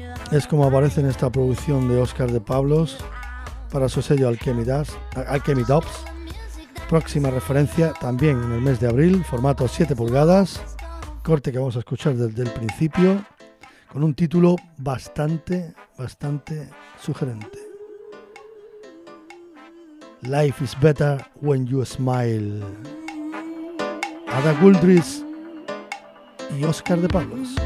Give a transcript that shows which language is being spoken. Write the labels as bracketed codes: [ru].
[es] Es como aparece en esta producción de Oscar de Pablos para su sello Alchemy Dubs. Próxima referencia también en el mes de abril, formato 7 pulgadas, corte que vamos a escuchar desde el principio, con un título bastante, bastante sugerente. [en] Life is better when you smile. [es] Ada Guldris y Oscar de Pablos.